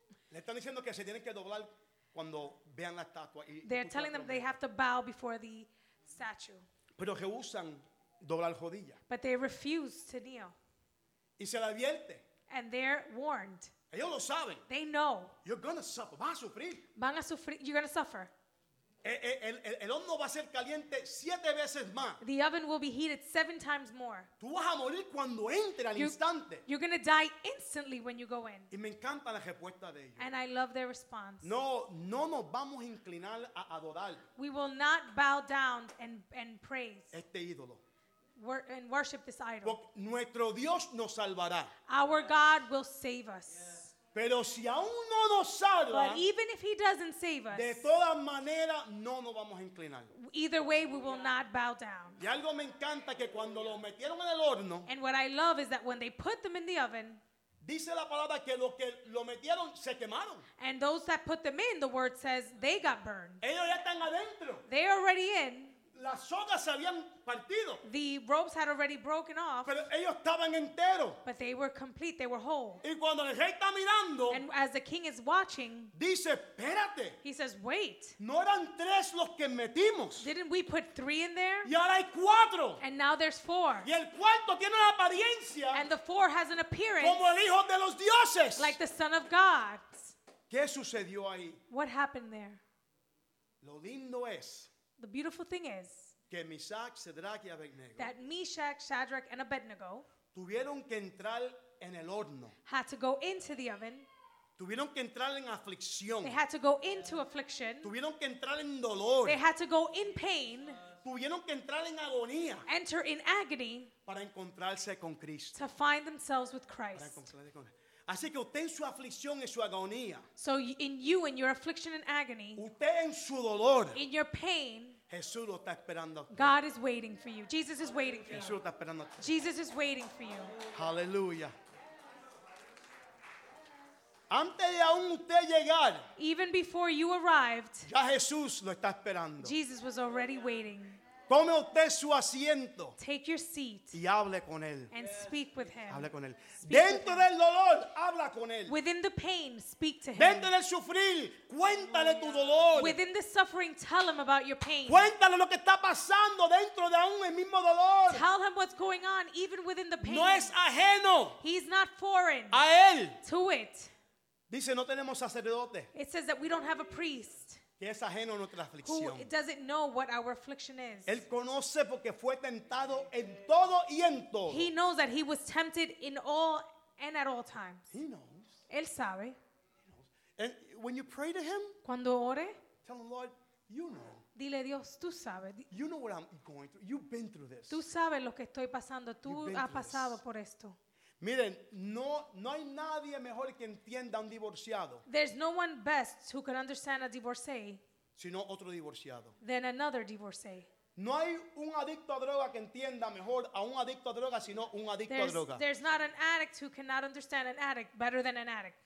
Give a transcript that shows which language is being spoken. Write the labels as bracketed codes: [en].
[es] Le están diciendo que se tienen que doblar cuando vean la estatua. [en] They're telling them they have to bow before the statue. [es] Pero rehusan doblar rodillas. [en] But they refuse to kneel. [es] Y se le advierte. [en] And they're warned. [es] Ellos lo saben. [en] They know. You're gonna suffer. [es] Van a sufrir. Van a sufrir. [en] You're gonna suffer. [es] El horno va a ser caliente 7 veces más. [en] The oven will be heated 7 times more. [es] Tú vas a morir cuando entre al instante. [en] You're going to die instantly when you go in. [es] Y me encanta la respuesta de ellos. [en] And I love their response. [es] No nos vamos a inclinar a adorar. [en] We will not bow down and praise. [es] Este ídolo. [en] And worship this idol. [es] Porque nuestro Dios nos salvará. [en] Our God will save us. Yes. [es] Pero si aún no nos salva, [en] but even if he doesn't save us, [es] de todas maneras, no nos vamos a inclinar. [en] Either way, we will not bow down. [es] Y algo me encanta que cuando lo metieron en el horno, [en] and what I love is that when they put them in the oven, [es] dice la palabra que lo metieron se quemaron. [en] And those that put them in, the word says, they got burned. [es] Ellos ya están adentro. [en] They are already in. [es] Las sogas se habían partido. [en] The ropes had already broken off. [es] Pero ellos estaban enteros. [en] But they were complete, they were whole. [es] Y cuando el rey está mirando, [en] and as the king is watching, [es] dice, espérate. [en] He says, wait. [es] No eran tres los que metimos. [en] Didn't we put three in there? [es] Y ahora hay cuatro. [en] And now there's four. [es] Y el cuarto tiene una apariencia. [en] And the four has an appearance. [es] Como el hijo de los dioses. [en] Like the son of God. [es] ¿Qué sucedió ahí? [en] What happened there? [es] Lo lindo es. [en] The beautiful thing is [es] que Meshach, Shadrach, y Abednego, [en] that Meshach, Shadrach, and Abednego [es] tuvieron que entrar en el horno. [en] Had to go into the oven. [es] Tuvieron que entrar en aflicción. [en] They had to go into affliction. [es] Tuvieron que entrar en dolor. [en] They had to go in pain. [es] Tuvieron que entrar en agonía. [en] Enter in agony. [es] Para encontrarse con Cristo. [en] To find themselves with Christ. [es] Así que usted en su aflicción y su agonía. [en] So in you, in your affliction and agony. [es] Usted en su dolor. [en] In your pain. [es] Jesús lo está esperando. [en] God is waiting for you. Jesus is waiting for [es] Jesús [en] you. [es] Lo está esperando. [en] Jesus is waiting for you. Hallelujah. [es] Antes de aún usted llegar. [en] Even before you arrived. [es] Ya Jesús lo está esperando. [en] Jesus was already waiting. [es] Tome usted su asiento. [en] Take your seat. [es] Y hable con él. [en] And speak with him. [es] Hable con él. Dentro del dolor, habla con él. [en] Within the pain, speak to him. [es] Dentro del sufrir, cuéntale tu dolor. [en] Within the suffering, tell him about your pain. [es] Cuéntale lo que está pasando dentro de aún el mismo dolor. [en] Tell him what's going on even within the pain. [es] No es ajeno. [en] He's not foreign. [es] A él. [en] To it. [es] Dice, no tenemos sacerdote. [en] It says that we don't have a priest. [es] Que es ajeno a nuestra aflicción. [en] Who doesn't know what our affliction is? [es] Él conoce porque fue tentado en todo y en todo. [en] He knows that he was tempted in all and at all times. He knows. [es] Él sabe. [en] He knows. And when you pray to him, [es] cuando ore, [en] tell him, Lord, you know. [es] Dile Dios, tú sabes. [en] You know what I'm going through. You've been through this. [es] Tú sabes lo que estoy pasando. Tú has pasado por esto. Miren, no hay nadie mejor que entienda un divorciado. [en] There's no one best who can understand a divorcee. [es] Sino otro divorciado. [en] Than another divorcee. [es] No hay un adicto a droga que entienda mejor a un adicto a droga sino un adicto [en] there's, [es] a droga. [en] There's not an addict who cannot understand an addict better than an addict.